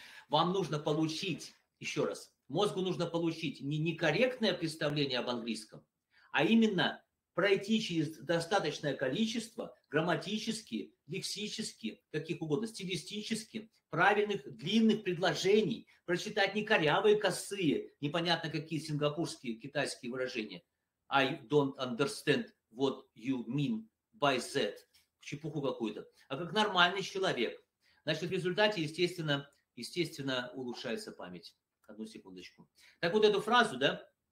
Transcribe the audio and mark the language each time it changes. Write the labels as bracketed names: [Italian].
[Russian] Вам нужно получить, еще раз, мозгу нужно получить не некорректное представление об английском, а именно пройти через достаточное количество грамматически, лексически, каких угодно, стилистически, правильных длинных предложений, прочитать не корявые, косые, непонятно какие сингапурские, китайские выражения. [English] I don't understand what you mean by that. [Russian] Чепуху какую-то. А как нормальный человек. Значит, в результате, естественно, улучшается память. Одну секундочку. Так вот эту фразу, да?